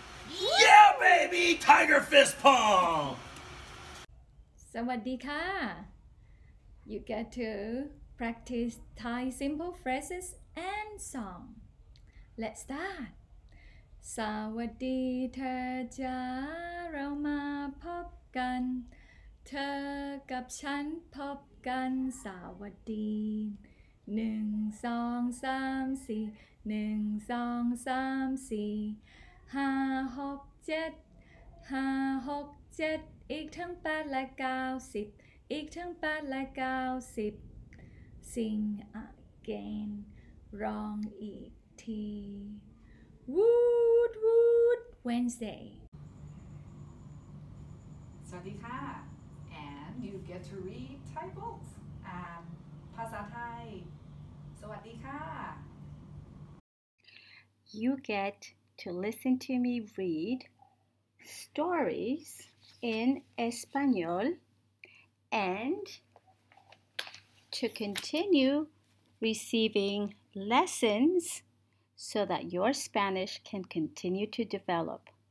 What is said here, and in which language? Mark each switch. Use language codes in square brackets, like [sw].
[en] Yeah, baby! Tiger fist pump! [th] Sawadee ka! [en] You get to practice Thai simple phrases and song. Let's start. [th] สวัสดีเธอจ้าเรามาพบกันเธอกับฉันพบกันสวัสดี 1 2 3 4 1 2 3 4 5 6 7 5 6 7อีกทั้ง8และ9 10อีกทั้ง8และ9 10 [en] Sing again [th] ร้องอีกที [en] Woot Woot Wednesday. [th] Sawadee ka. [en] And you get to read Thai books and Phasa Thai. [th] Sawadee ka. [en] You get to listen to me read stories in Espanol and to continue receiving lessons so that your Spanish can continue to develop.